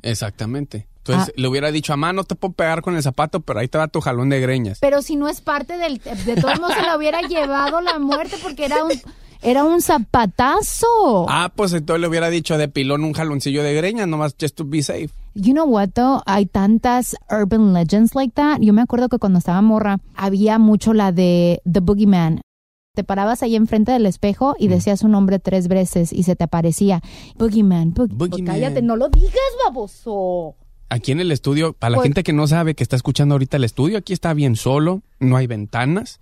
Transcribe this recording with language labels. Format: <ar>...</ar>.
<es>Exactamente. Entonces, le hubiera dicho, mamá, no te puedo pegar con el zapato, pero ahí te va tu jalón de greñas. Pero si no es parte del... De todos modos, se la hubiera llevado la muerte porque era un... Era un zapatazo. Ah, pues entonces le hubiera dicho de pilón un jaloncillo de greña, nomás</es> <en>just to be safe. You know what, though?</en> <es>Hay tantas</es> <en>urban legends like that.</en> <es>Yo me acuerdo que cuando estaba morra, había mucho la de The Boogeyman. Te parabas ahí enfrente del espejo y decías su nombre tres veces y se te aparecía. Boogeyman, Boogeyman. Cállate, no lo digas, baboso. Aquí en el estudio, para la gente que no sabe, que está escuchando ahorita el estudio, aquí está bien solo, no hay ventanas,</es>